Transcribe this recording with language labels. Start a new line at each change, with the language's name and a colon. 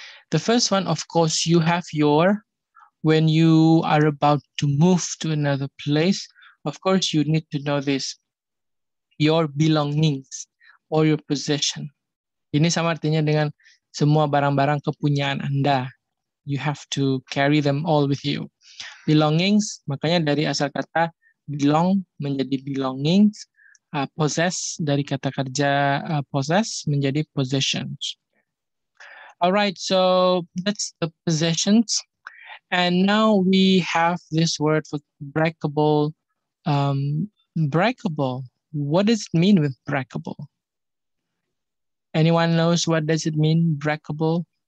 English: The first one, of course, you have your, when you are about to move to another place, of course, you need to know this, your belongings or your possession.
Indonesian: Ini sama artinya dengan semua barang-barang kepunyaan Anda.
English: You have to carry them all with you.
Indonesian: Belongings, makanya dari asal kata belong menjadi belongings, possess dari kata kerja possess menjadi possessions.
English: Alright, so that's the possessions. And now we have this word for breakable. Breakable, what does it mean with breakable? Anyone knows what does it mean, breakable?